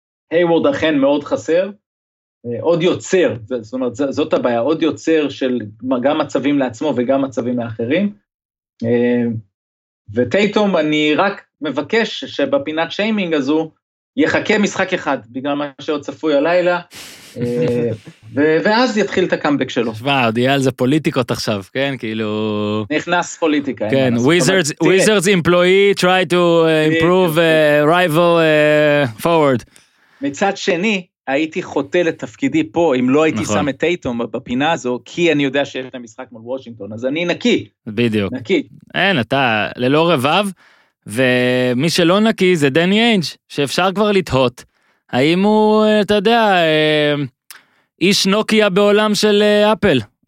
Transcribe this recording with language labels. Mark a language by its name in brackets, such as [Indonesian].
[Hebrew] הייוורד אכן מאוד חסר, עוד יוצר, זאת אומרת, זאת הבעיה, עוד יוצר של גם מצבים לעצמו וגם מצבים לאחרים, וטייטום, אני רק מבקש שבפינת שיימינג הזו, יחכה משחק אחד, בגלל מה שעוד צפוי הלילה, ואז יתחיל את הקאמבק שלו. שבא, עוד יהיה על זה פוליטיקות עכשיו, כן, כאילו... נכנס פוליטיקה. [English] כן, Wizards employee try to improve rival forward. [Hebrew] מצד שני, הייתי חוטא לתפקידי פה, אם לא הייתי נכון. שם את טייטום בפינה הזו, כי אני יודע שיש את המשחק מול וושינגטון, אז אני נקי. בדיוק. נקי. אין, אתה ללא רבב, ומי שלא נקי זה דני איינג', שאפשר כבר לתהות. האם הוא, אתה יודע, איש נוקיה בעולם של אפל?